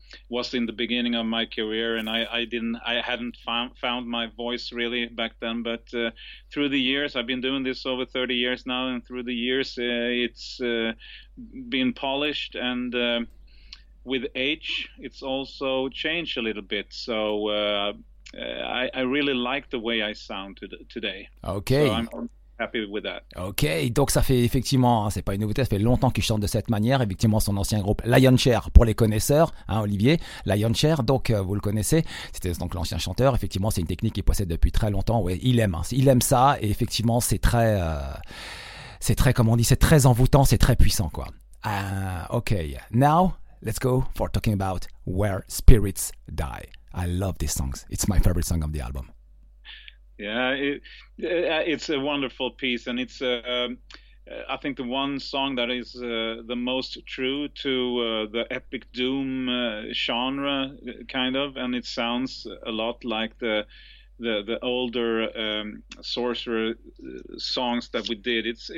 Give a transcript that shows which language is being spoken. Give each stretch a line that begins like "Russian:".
English: was in the beginning of my career, and I hadn't found my voice really back then, but through the years, I've been doing this over 30 years now, and through the years it's been polished, and with age it's also changed a little bit, so I really like the way I sound today. Okay. So happy with that.
French: Ok, donc ça fait effectivement, c'est pas une nouveauté, ça fait longtemps qu'il chante de cette manière. Effectivement, son ancien groupe Lionshare, pour les connaisseurs, hein, Olivier, Lionshare, donc vous le connaissez, c'était donc l'ancien chanteur. Effectivement, c'est une technique qu'il possède depuis très longtemps. Ouais, il aime ça, et effectivement, c'est très envoûtant, c'est très puissant, quoi.
English: Ok, now let's go for talking about Where Spirits Die. I love these songs. It's my favorite song of the album. Yeah, it's a wonderful piece, and it's I think the one song that is the most true to the epic doom genre, kind of, and it sounds a lot like the older Sorcerer songs that we did.